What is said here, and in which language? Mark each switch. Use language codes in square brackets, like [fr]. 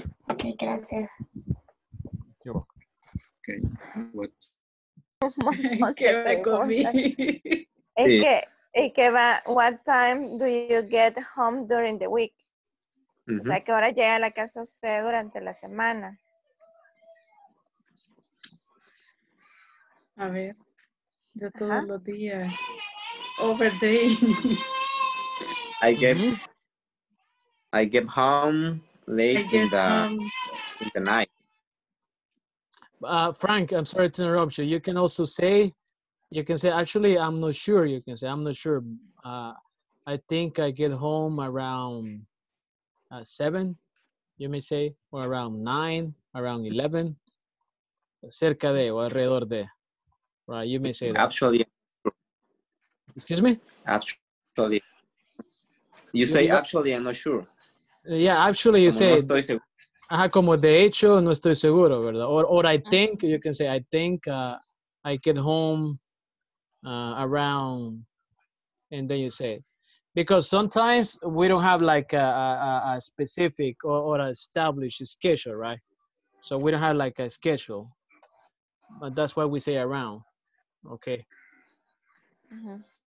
[es] Okay, gracias. [en] You're welcome. Okay, what? [es] ¿Qué me comí? Es que va, [en] what time do you get home during the week? Uh-huh. [es] O sea, ¿qué hora llega a la casa usted durante la semana? A ver, yo todos uh-huh. los días... [en] Over day. I get home late in the night. Frank, I'm sorry to interrupt you. You can also say, actually, I'm not sure. You can say, I'm not sure. I think I get home around 7, you may say, or around 9, around 11. [es] Cerca de, o alrededor de. [en] Right, you may say that. Absolutely. Excuse me? Absolutely. You say actually, I'm not sure. Yeah, actually, you say. [es] No estoy seguro. Ajá, como de hecho, no estoy seguro, ¿verdad? [en] Or I think, you can say, I think I get home around, and then you say it. Because sometimes we don't have like a specific or established schedule, right? So we don't have like a schedule. But that's why we say around, okay? Uh-huh.